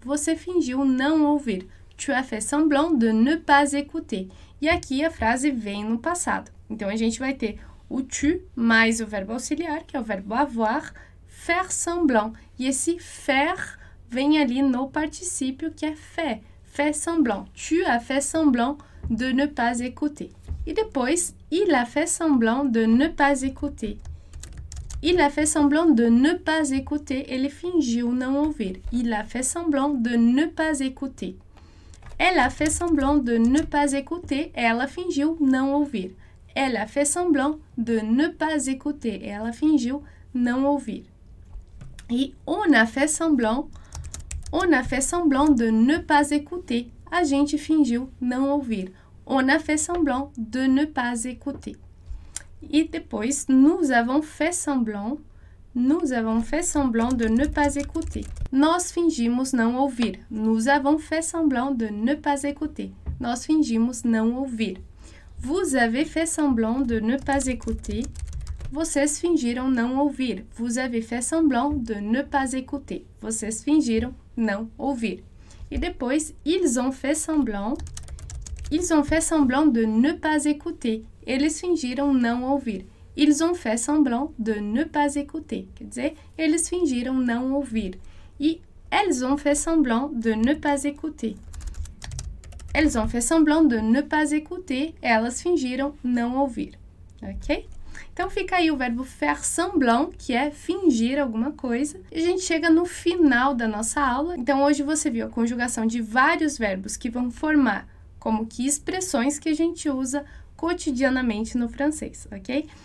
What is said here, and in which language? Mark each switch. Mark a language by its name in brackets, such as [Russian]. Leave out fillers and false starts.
[Portuguese] Você fingiu não ouvir. [French] Tu as fait semblant de ne pas écouter. [Portuguese] E aqui a frase vem no passado. Então, a gente vai ter o tu mais o verbo auxiliar, que é o verbo avoir, faire semblant. E esse faire vem ali no particípio, que é fait. [French] Fait semblant. Tu as fait semblant de ne pas écouter. [Portuguese] E depois, [French] il a fait semblant de ne pas écouter. Il a fait semblant de ne pas écouter. [Portuguese] Ele fingiu não ouvir. [French] Il a fait semblant de ne pas écouter. Elle a fait semblant de ne pas écouter. [Portuguese] Ela fingiu não ouvir. [French] Elle a fait semblant de ne pas écouter. [Portuguese] Ela fingiu não ouvir. E [French] on a fait semblant de ne pas écouter. [Portuguese] A gente fingiu não ouvir. [French] On a fait semblant de ne pas écouter. [Portuguese] E depois, [French] nous avons fait semblant de ne pas écouter. [Portuguese] Nós fingimos não ouvir. [French] Nous avons fait semblant de ne pas écouter. [Portuguese] Nós fingimos não ouvir. [French] Vous avez fait semblant de ne pas écouter. [Portuguese] Vocês fingiram não ouvir. [French] Vous avez fait semblant de ne pas écouter. [Portuguese] Vocês fingiram não ouvir. E depois, [French] ils ont fait semblant de ne pas écouter. [Portuguese] Eles fingiram não ouvir. [French] Ils ont fait semblant de ne pas écouter. [Portuguese] Quer dizer, eles fingiram não ouvir. [French] E elles ont fait semblant de ne pas écouter. Elles ont fait semblant de ne pas écouter. [Portuguese] Elas fingiram não ouvir. Ok? Então fica aí o verbo faire semblant, que é fingir alguma coisa. E a gente chega no final da nossa aula. Então hoje você viu a conjugação de vários verbos que vão formar como que expressões que a gente usa cotidianamente no francês, ok?